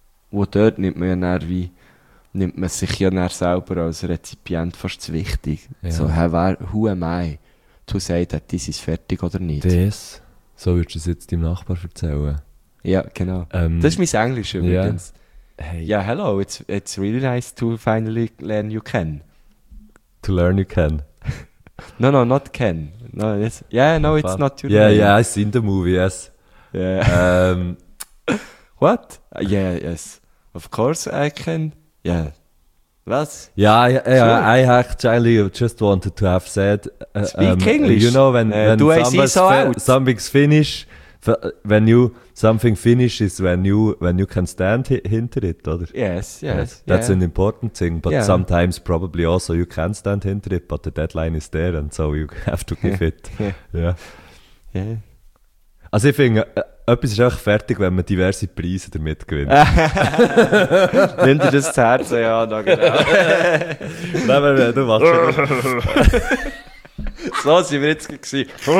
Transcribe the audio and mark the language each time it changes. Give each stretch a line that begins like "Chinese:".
German: Wo dort nimmt man sich ja dann selber als Rezipient fast zu wichtig. Ja.
English: So, who am I to say that this is
German: fertig oder nicht? Das? So würdest du es jetzt deinem Nachbar erzählen? Ja, genau. Das ist mein Englisch übrigens.
English: Ja, hello, it's really nice to finally learn you can. To learn you can. No, no, not Ken. No, it's, yeah, no, it's not too late. Yeah, yeah, I've seen the movie, yes. Yeah. What? Yeah, yes. Of course I can. Yeah.
German: Was?
English: Yeah, I actually just wanted to have said... Speak English. You know, when something's finished, something finished is when you can stand
German: hinter
English: it,
German: oder?
English: Yes. That's an important thing, but sometimes probably also you can stand
German: hinter
English: it, but the deadline is there, and so you have to give it. Yeah.
German: Also ich finde, etwas ist einfach fertig, wenn man diverse Preise damit gewinnt. Nimm dir das zu Herzen, ja, da genau. Nein, wenn du machst schon. So sind wir jetzt gewesen.